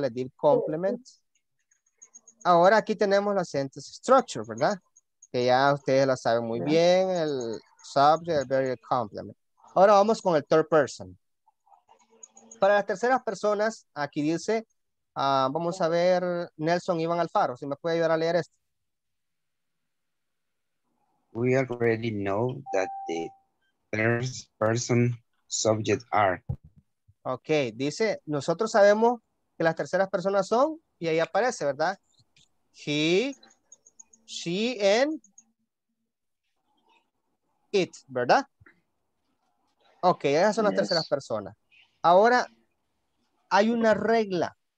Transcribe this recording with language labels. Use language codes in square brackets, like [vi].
[es] Les di complements. Ahora aquí tenemos la sentence structure, ¿verdad? Que ya ustedes la saben muy bien. El subject, el verb, el complement. Ahora vamos con el third person. Para las terceras personas, aquí dice... vamos a ver, Nelson Iván Alfaro, si me puede ayudar a leer esto. [en] We already know that the third person subject are. [es] Ok, dice, nosotros sabemos que las terceras personas son, y ahí aparece, ¿verdad? [en] He, she, and it, ¿verdad? [es] Ok, esas son las terceras personas. Ahora, hay una regla.